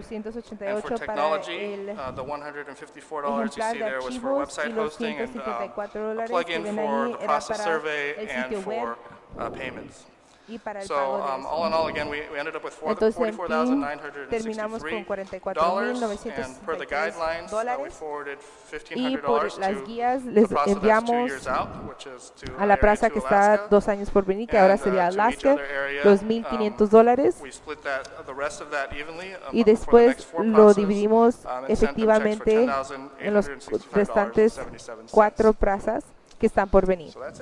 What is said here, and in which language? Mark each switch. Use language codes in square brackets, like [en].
[en] And for technology, the $154 you see there was for website hosting and a plug-in for the process survey and for payments. So all in all, again, we ended up with $44,963, and per the guidelines, we forwarded $1,500 to the PRASA that's 2 years out, which is to [es] a la PRASA que está 2 años por venir, que ahora sería Alaska, los $1,500. [en] We split that, the rest of that evenly, [es] y después lo dividimos efectivamente en los restantes 4 PRASAs que están por venir.